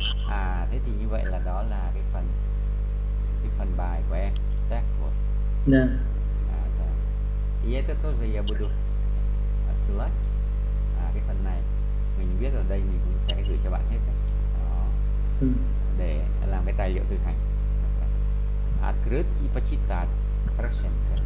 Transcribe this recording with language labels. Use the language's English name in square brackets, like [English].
[Vietnamese] À thế thì như vậy là đó là cái phần bài của em. [Russian] Так вот. Да. А да. И это тоже я буду ссылать. [Vietnamese] À cái phần này mình viết ở đây mình cũng sẽ gửi cho bạn hết đấy. Đó. Để làm cái tài liệu thực hành. [Russian] Открыть и почитать хорошенько.